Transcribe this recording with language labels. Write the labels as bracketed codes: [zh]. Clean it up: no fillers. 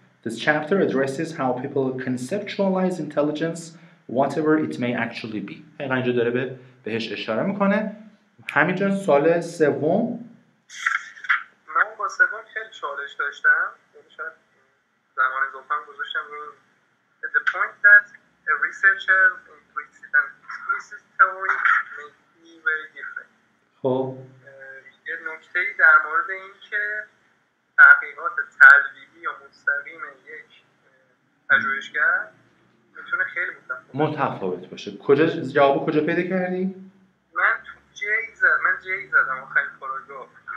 [en] This chapter addresses how people conceptualize intelligence whatever it may actually be. [fa] حقیقا اینجا داره بهش اشاره میکنه. همینجا سال سوم. من با سوم خیلی چالش داشتم، یعنی شاید زمان اضافه گذاشتم رو. [en] The point that a researcher implicit and explicit theory may be very different. [fa] خب یه نکته ای در مورد این که تحقیقات تلویحی یا مستقیم یک پژوهشگر خیلی متفاوت باشه. کجا جوابو کجا پیدا کردی؟ من تو جی زدم. من جی زدم آخرین پاراگراف.